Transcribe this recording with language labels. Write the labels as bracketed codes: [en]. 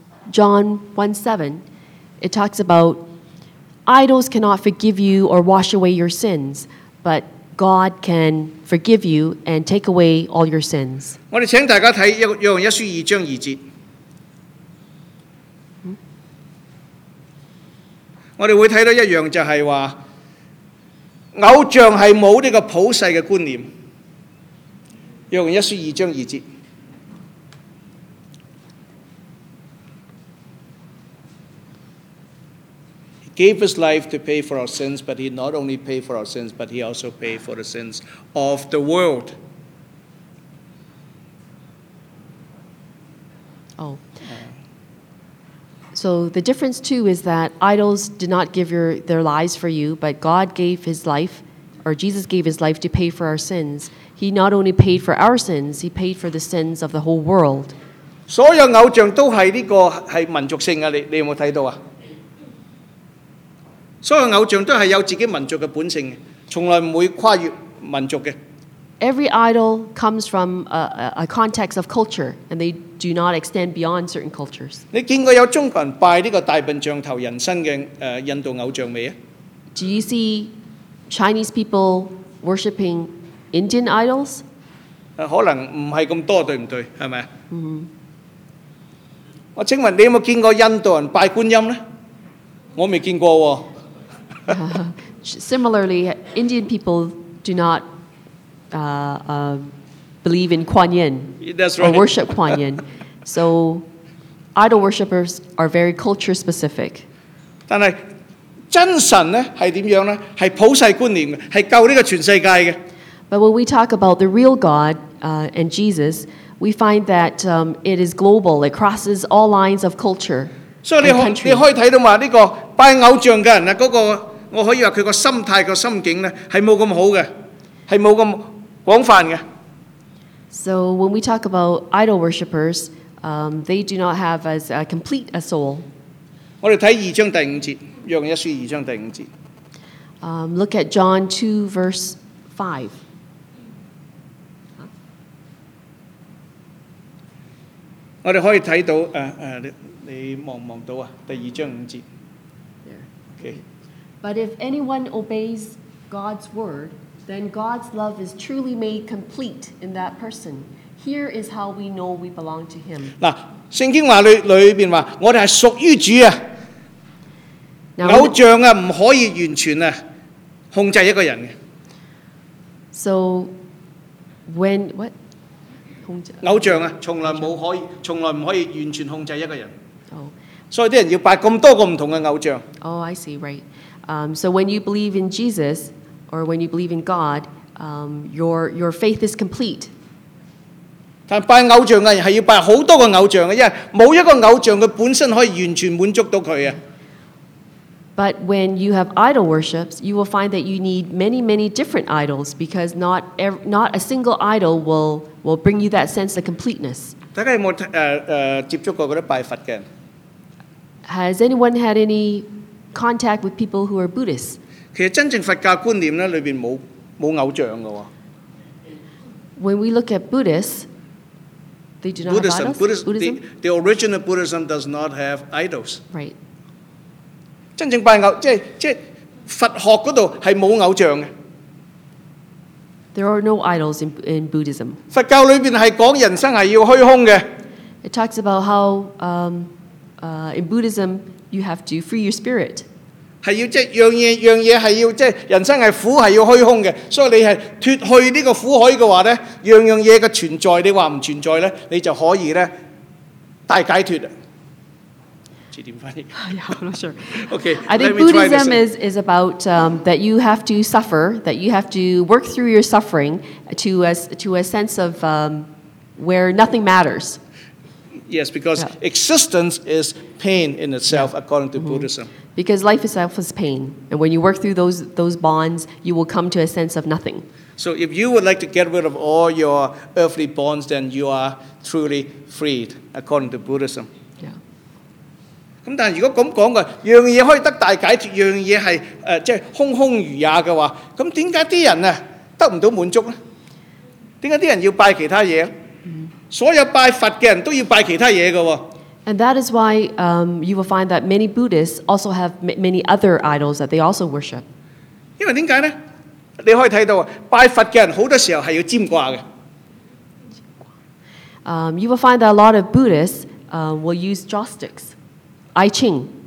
[en] John 1:7, it talks about idols cannot forgive you or wash away your sins, but God can forgive you and take away all your sins. [zh] 我们请大家看约翰一书二章二节。我们会看到一样，就是说偶像是没有这个普世的观念。约翰一书二章二节。 [en] Gave his life to pay for our sins, but he not only paid for our sins, but he also paid for the sins of the world. Oh. So the difference too is that idols did not give their lives for you, but God gave his life, or Jesus gave his life to pay for our sins. He not only paid for our sins, he paid for the sins of the whole world. [zh] 所有偶像都是这个是民族性的，你有没有看到啊？所有偶像都是有自己民族的本性，从来不会跨越民族的。 [en] Every idol comes from a context of culture, and they do not extend beyond certain cultures. [zh] 你见过有中国人拜这个大笨象头人身的印度偶像没有？ [en] Do you see Chinese people worshipping Indian idols? [zh] 可能不是那么多，对不对？是吗？ Mm-hmm. 我请问你有没有见过印度人拜观音呢？我没见过哦。 [en] Similarly, Indian people do not believe in Kuan Yin. That's right. Or worship Kuan Yin. So, idol worshippers are very culture specific. [zh] 但是真神呢是怎样呢？是普世观念的，是救这个全世界的。 [en] But when we talk about the real God and Jesus, we find that it is global. It crosses all lines of culture. So, you can see that this [zh] 拜偶像的人，那個，我可以說他的心態，他的心境呢，是沒那麼好的，是沒那麼廣泛的。 [en] So when we talk about idol worshippers, they do not have as a complete a soul. [zh] 我們看二章第五節，約翰一書二章第五節。 [en] Look at John 2 verse 5. Huh? [zh] 我們可以看到，你看不看到，第二章五節。 [en] But if anyone obeys God's word, then God's love is truly made complete in that person. Here is how we know we belong to Him. [zh] 嗱，聖經話裏邊話，我哋係屬於主啊。 Now, 偶像啊，唔可以完全啊控制一個人嘅。 [en] So when what 控制 [zh] 偶像啊，從來唔可以完全控制一個人。所以啲人要拜咁多個唔同嘅偶像。 [en] Oh, I see. Right. So when you believe in Jesus or when you believe in God, your faith is complete. [zh] 但拜偶像嘅人係要拜好多個偶像嘅，因為冇一個偶像佢本身可以完全滿足到佢啊。 [en] But when you have idol worships, you will find that you need many, many different idols because not a single idol will bring you that sense of completeness. [zh] 大家有冇接觸過嗰啲拜佛嘅人？ [en] Has anyone had any contact with people who are Buddhists? [zh] 其實真正佛教觀念裏面沒有偶像的。 [en] When we look at Buddhists, they do not Buddhism, have idols? Buddhism? The original Buddhism does not have idols. Right. [zh] 真正拜偶，即佛學那裡是沒有偶像的。 [en] There are no idols in Buddhism. [zh] 佛教裏面是講人生是要虛空的。 [en] It talks about how in Buddhism you have to free your spirit. [zh] 是要即樣嘢樣嘢係要即人生係苦係要虛空嘅，所以你係脱去呢個苦海嘅話咧，樣樣嘢嘅存在你話唔存在咧，你就可以咧大解脱。字典翻譯。 [en] Yeah, I'm not sure. Okay, I think Buddhism is about that you have to suffer, that you have to work through your suffering to a sense of where nothing matters. Yes, because existence is pain in itself, according to Buddhism. Because life itself is pain. And when you work through those bonds, you will come to a sense of nothing. So if you would like to get rid of all your earthly bonds, then you are truly freed, according to Buddhism. Yeah. [zh] 但如果这样说，样东西可以得大解决，样东西是即空空如也的话，那为什么那些人得不到满足呢？为什么那些人要拜其他东西？所有拜佛的人都要拜其他东西的。 [en] And that is why you will find that many Buddhists also have many other idols that they also worship. [zh] 因为点解咧？你可以睇到拜佛嘅人好多时候系要占卦嘅。 [en] You will find that a lot of Buddhists will use joysticks, I Ching.